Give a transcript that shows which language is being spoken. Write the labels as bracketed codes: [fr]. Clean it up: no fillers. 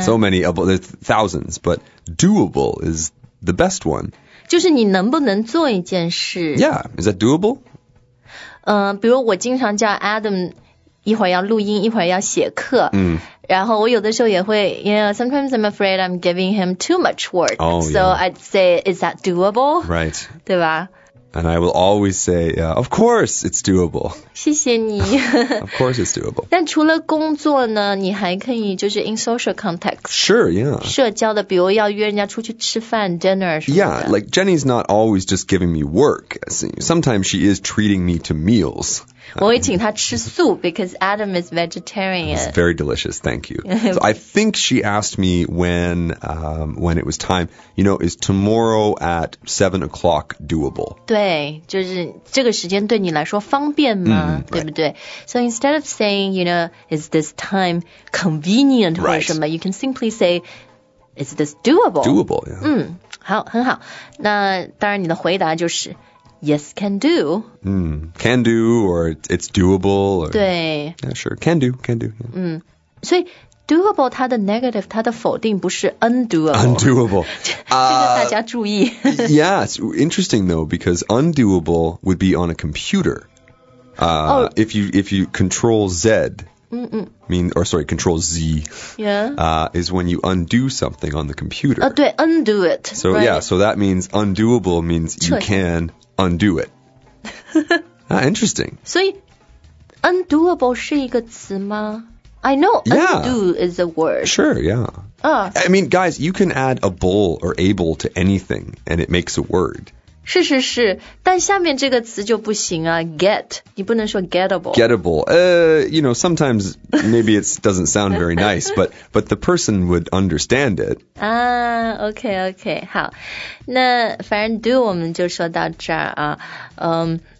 [en] so many, there's thousands, but doable is the best one. [zh] 就是你能不能做一件事 [en] Yeah, is that doable?、 [zh] 比如我经常叫 Adam 一会儿要录音一会儿要写课、 mm. 然后我有的时候也会 [en] yeah, sometimes I'm afraid I'm giving him too much work. Oh, so yeah. I'd say, is that doable? Right. [zh] 对吧 [en] And I will always say, yeah, of course it's doable. [zh] 谢谢你 [en] Of course it's doable. [zh] 但除了工作呢你还可以就是 [en] in social context. Sure, yeah. [zh] 社交的比如要约人家出去吃饭 dinner 什么的 [en] Yeah, like Jenny's not always just giving me work. Sometimes she is treating me to meals. [zh] 我会请他吃素 [en] because Adam is vegetarian. It's very delicious, thank you. So I think she asked me when it was time. You know, is tomorrow at 7 o'clock doable? [zh] 对，就是这个时间对你来说方便吗？对不对？ [en] So instead of saying, you know, is this time convenient or 什么, you can simply say, is this doable? Doable, yeah. [zh] 好，很好。那当然你的回答就是 [en] Yes, can do.、 Can do, or it's doable. Or, [zh] 对。 [en] Yeah, sure. Can do, can do.、Yeah. [zh] 所以 doable 它的 negative, 它的否定不是 undoable. [en] Undoable. [zh] 这个大家注意。 [en] Yeah, it's interesting though, because undoable would be on a computer.、If you control Z, control Z,、 yeah. Is when you undo something on the computer.、对, undo it. So、 right. yeah, so that means undoable means you can... Undo it. interesting. So, undoable is a word? I know undo、 yeah. is a word. Sure, yeah.、I mean, guys, you can add a bull or able to anything, and it makes a word. [zh] 是是是但下面这个词就不行啊 get. 你不能说 gettable. [en] Gettable.、you know, sometimes maybe it doesn't sound very nice, but the person would understand it. Okay, okay. [zh] 好那反正 do 我们就说到这儿啊。